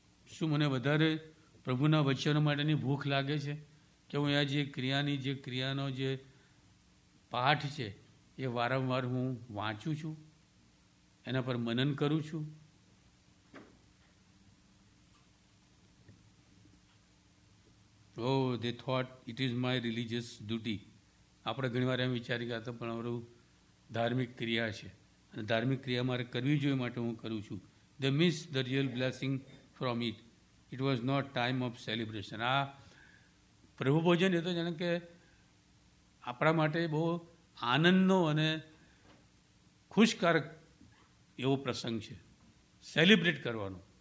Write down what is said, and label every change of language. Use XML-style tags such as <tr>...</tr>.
<gu>શું મને વધારે પ્રભુના વચનો માટેની ભૂખ લાગે છે કે હું આ જે ક્રિયાની જે ક્રિયાનો જે પાઠ છે એ વારંવાર હું વાંચું છું, એના પર મનન કરું છું?</gu> <en>Oh, they thought it is my religious duty.</en> <gu>આપણે ઘણીવાર એમ વિચારી ગયા હતા પણ અમારું ધાર્મિક ક્રિયા છે અને ધાર્મિક ક્રિયા મારે કરવી જોઈએ માટે હું કરું છું.</gu> <en>They miss the real blessing from it. It was not time of celebration.</en> <gu>આ પ્રભુ ભોજન એ તો જાણે કે આપણા માટે બહુ આનંદનો અને ખુશકારક એવો પ્રસંગ છે, સેલિબ્રેટ કરવાનો.</gu>